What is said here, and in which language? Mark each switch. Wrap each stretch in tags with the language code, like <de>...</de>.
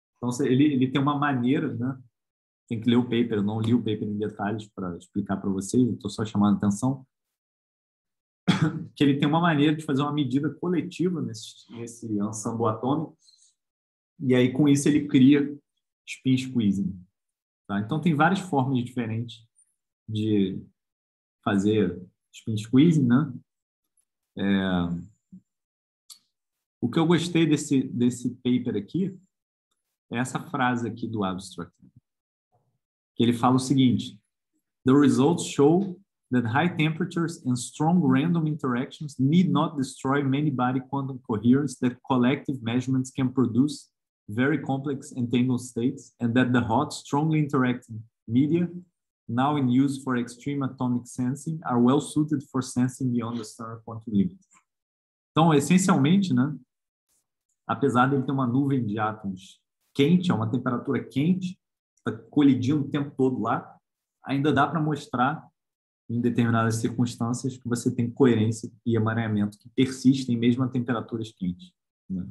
<pt>Então, ele tem uma maneira, né? Tem que ler o paper, eu não li o paper em detalhes para explicar para vocês, estou só chamando a atenção, que ele tem uma maneira de fazer uma medida coletiva nesse ensemble atômico, e aí com isso ele cria spin squeezing. Tá? Então tem várias formas diferentes de fazer spin squeezing. Né? O que eu gostei desse paper aqui é essa frase aqui do abstract. Ele fala o seguinte:</pt> <en>the results show that high temperatures and strong random interactions need not destroy many body quantum coherence, that collective measurements can produce very complex entangled states, and that the hot, strongly interacting media now in use for extreme atomic sensing are well suited for sensing beyond the standard quantum limit.</en> <pt>Então, essencialmente, né, apesar de ele ter uma nuvem de átomos quente, a uma temperatura quente, está colidindo o tempo todo lá, ainda dá para mostrar em determinadas circunstâncias que você tem coerência e emaranhamento que persistem mesmo a temperaturas quentes. Né?</pt>